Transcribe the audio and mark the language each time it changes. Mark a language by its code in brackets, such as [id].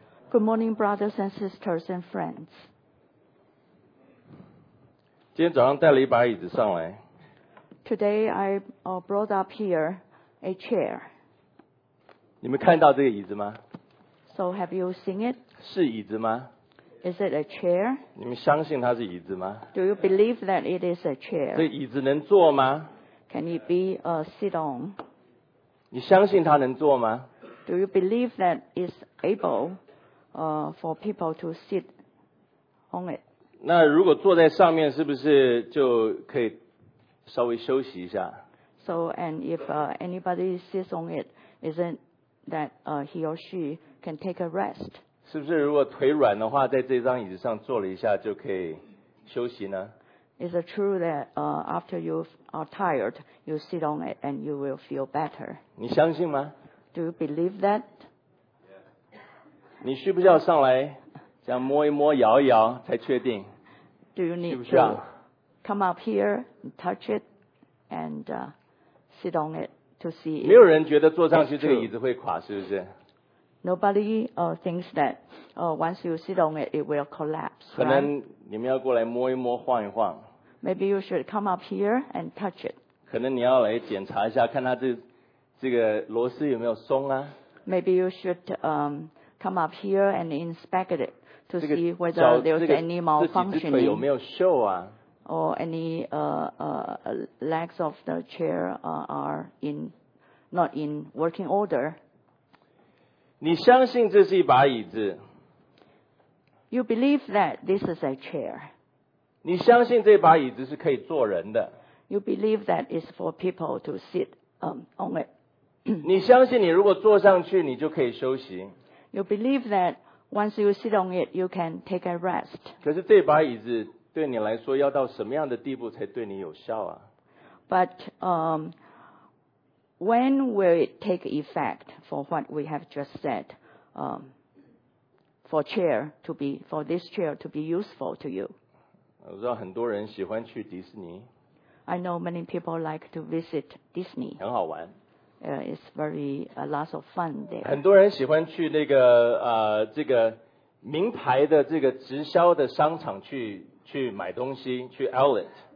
[en] Good morning, brothers and sisters and friends. [zh] 今天早上带了一把椅子上来。 [en] Today I brought up here a chair. [zh] 你们看到这个椅子吗？ [en] So have you seen it? [zh] 是椅子吗？ [en] Is it a chair? [zh] 你们相信它是椅子吗？ [en] Do you believe that it is a chair? [zh] 这椅子能坐吗？ [en] Can it be a sit on? [zh] 你相信它能坐吗？ [en] Do you believe that it's able for people to sit on it? [zh] 那如果坐在上面是不是就可以稍微休息一下？ [en] So, and if anybody sits on it, isn't that he or she can take a rest? [zh] 是不是如果腿软的话，在这张椅子上坐了一下就可以休息呢？ [en] Is it true that after you are tired, you sit on it and you will feel better? [zh] 你相信吗？ [en] Do you believe that? [zh] 你需不需要上来这样摸一摸摇一摇才确定？ [en] Do you need to come up here and touch it and sit on it to see it? [zh] 没有人觉得坐上去这个椅子会垮，是不是？ [en] Nobody thinks that once you sit on it, it will collapse. [zh] 可能你们要过来摸一摸晃一晃。 [en] Maybe you should come up here and touch it. [zh] 可能你要来检查一下看它这个螺丝有没有松啊？ [en] Maybe you should come up here and inspect it to see whether there's any malfunctioning. [zh] 这几只腿有没有锈啊？ [en] Or any legs of the chair are not in working order. [zh] 你相信这是一把椅子？ [en] You believe that this is a chair. [zh] 你相信这把椅子是可以坐人的？ [en] You believe that it's for people to sit on it. [zh] 你相信你如果坐上去你就可以休息？ [en] You believe that once you sit on it, you can take a rest. [zh] 可是这把椅子对你来说要到什么样的地步才对你有效啊？ [en] But when will it take effect for what we have just said? For this chair to be useful to you. [zh] 我知道很多人喜欢去迪士尼。 [en] I know many people like to visit Disney. [zh] 很好玩。 [en] It's very lots of fun there. [zh] 很多人喜欢去那个这个名牌的这个直销的商场去买东西，去 outlet.